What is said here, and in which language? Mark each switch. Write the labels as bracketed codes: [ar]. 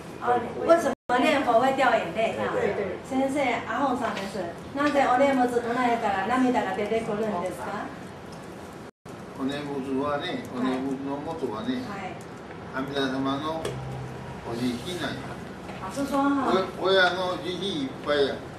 [zh] 哦，为什么念佛会掉眼泪？对对。 [ja] 先生，阿芳さんです。なぜお念仏唱えたら涙が出てくるんですか。お念仏はね、お念仏のもとはね、阿弥陀様のお慈悲なんや。 [zh] 老师说哈，我的 [ja] 慈悲いっぱいや。